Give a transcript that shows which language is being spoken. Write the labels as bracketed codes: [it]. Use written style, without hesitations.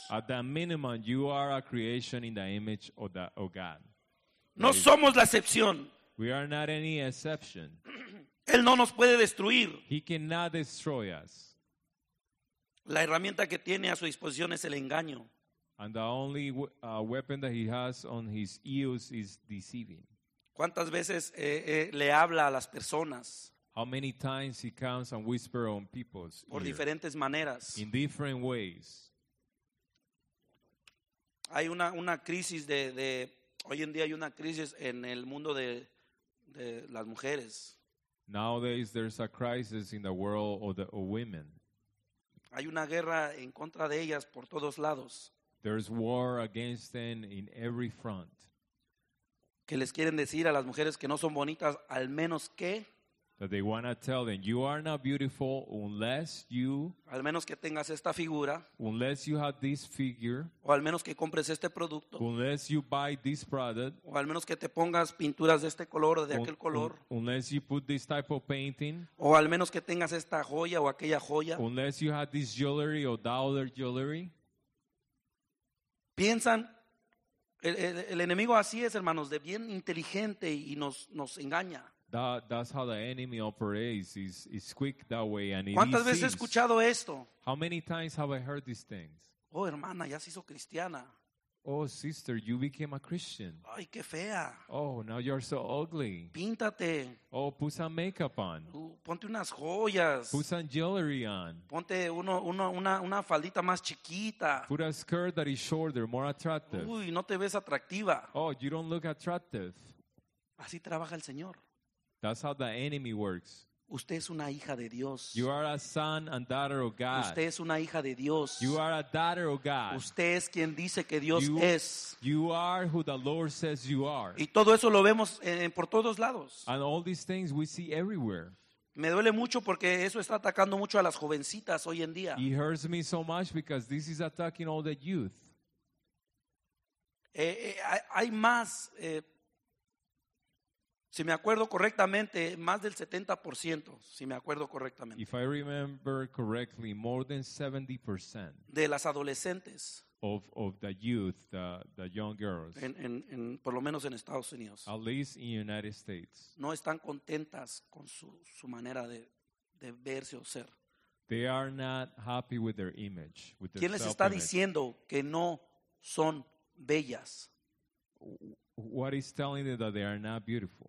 [en] At the minimum, you are a creation in the image of God. No right? [es] Somos la excepción. [en] We are not any exception. [es] Él no nos puede destruir. [en] He cannot destroy us. [es] La herramienta que tiene a su disposición es el engaño. [en] And the only weapon that he has on his use is deceiving. [es] ¿Cuántas veces le habla a las personas? [en] How many times he comes and whispers on people's [es] ear? Por diferentes maneras. [en] In different ways. [es] Hay una crisis de hoy en día hay una crisis en el mundo de las mujeres. [en] Nowadays there's a crisis in the world of women. [es] Hay una guerra en contra de ellas por todos lados. [en] There's war against them in every front. [es] Que les quieren decir a las mujeres que no son bonitas, al menos que. [en] That they want to tell them, you are not beautiful unless you. [es] Al menos que tengas esta figura. [en] Unless you have this figure. [es] O al menos que compres este producto. [en] Unless you buy this product. [es] O al menos que te pongas pinturas de este color o de aquel color. [en] Unless you put this type of painting. [es] O al menos que tengas esta joya o aquella joya. [en] Unless you have this jewelry or that other jewelry. [es] Piensan. El enemigo así es, hermanos, de bien inteligente y nos engaña. [en] That's how the enemy operates. It's quick that way. And [es] ¿cuántas veces he escuchado esto? [en] How many times have I heard these things? [es] Oh, hermana, ya se hizo cristiana. [en] Oh, sister, you became a Christian. [es] Ay, qué fea. [en] Oh, now you're so ugly. [es] Píntate. [en] Oh, put some makeup on. [es] Ponte unas joyas. [en] Put some jewelry on. [es] Ponte una faldita más chiquita. [en] Put a skirt that is shorter, more attractive. [es] Uy, no te ves atractiva. [en] Oh, you don't look attractive. [es] Así trabaja el Señor. [en] That's how the enemy works. [es] Usted es una hija de Dios. [en] You are a son and daughter of God. [es] Usted es una hija de Dios. [en] You are a daughter of God. [es] Usted es quien dice que Dios es. [en] You are who the Lord says you are. [es] Y todo eso lo vemos por todos lados. [en] And all these things we see everywhere. [es] Me duele mucho porque eso está atacando mucho a las jovencitas hoy en día. [en] It hurts me so much because this is attacking all the youth. [es] Hay más. Si me acuerdo correctamente, más del 70%, si me acuerdo correctamente. [en] If I remember correctly, more than 70%. [es] De las adolescentes. [en] Of the youth, the young girls. [es] En por lo menos en Estados Unidos. [en] At least in United States. [es] No están contentas con su manera de verse o ser. [en] They are not happy with their image. With their [es] ¿quién les está diciendo que no son bellas? [en] What is telling them that they are not beautiful?